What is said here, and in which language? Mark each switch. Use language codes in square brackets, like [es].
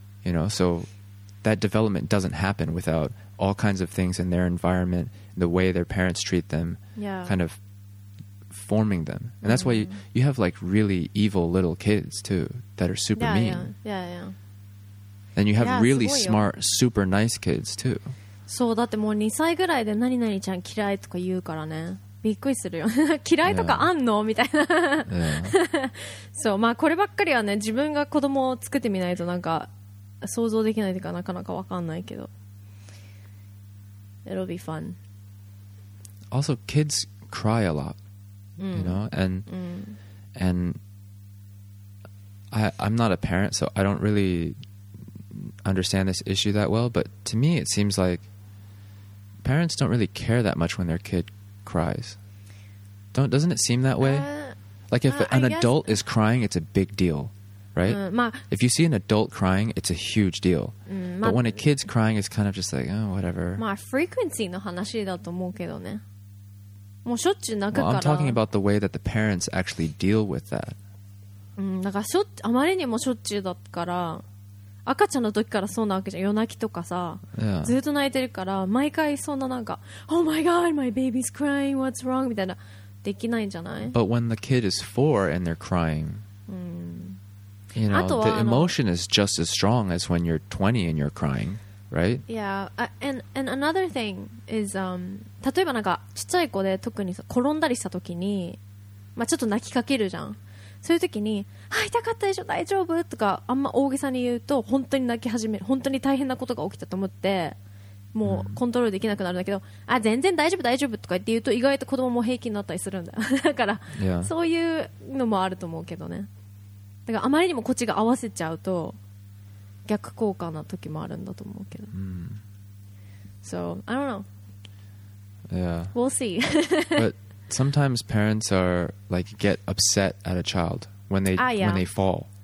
[en] You know, so that development doesn't happen without all kinds of things in their environment, the way their parents treat them, kind of forming them. And that's why you have like really evil little kids too that are super mean. Yeah. And you have really smart, super nice kids too. [ja] そうだってもう2歳ぐらいで何々ちゃん嫌いとか言うからねびっくりするよ嫌いとかあんの、yeah. みたいな、 [en] yeah. [ja] そうまあこればっかりはね自分が子供を作ってみないとなんか想像できないというかなかなか分かんないけど [en] It'll be fun Also kids cry a lot、you know and、and I'm not a parent so I don't really understand this issue that well but to me it seems likeParents don't really care that much when their kid cries. Doesn't it seem that way? Like if an adult is crying, it's a big deal, right? If you see an adult crying, it's a huge deal. But when a kid's crying, it's kind of just like, oh, whatever. [ja] まあ、frequency の話だと思うけどね。もうしょっちゅう泣くから。 [en] Well, I'm talking about the way that the parents actually deal with that. [ja] なんかしょっ、あまりにもしょっちゅうだから。赤ちゃんの時からそうなわけじゃん夜泣きとかさ、 [en] yeah. [ja] ずっと泣いてるから毎回そんななんか [en] Oh my god, my baby's crying, what's wrong? [ja] みたいなできないんじゃない [en] But when the kid is four and they're crying、 [ja] うん、 [en] You know, the emotion is just as strong as when you're 20 and you're crying, right? Yeah, and another thing is、 [ja] 例えばなんかちっちゃい子で特に転んだりした時に、まあ、ちょっと泣きかけるじゃんそういう時に痛かったでしょ大丈夫とかあんま大げさに言うと本当に泣き始める本当に大変なことが起きたと思ってもうコントロールできなくなるんだけど、mm. あ全然大丈夫大丈夫とか言って言うと意外と子供も平気になったりするんだよだから、 [en] yeah. [ja] そういうのもあると思うけどねだからあまりにもこっちが合わせちゃうと逆効果な時もあるんだと思うけど、 [en] So I don't know Yeah We'll see ButSometimes parents are like get upset at a child when they when they fall.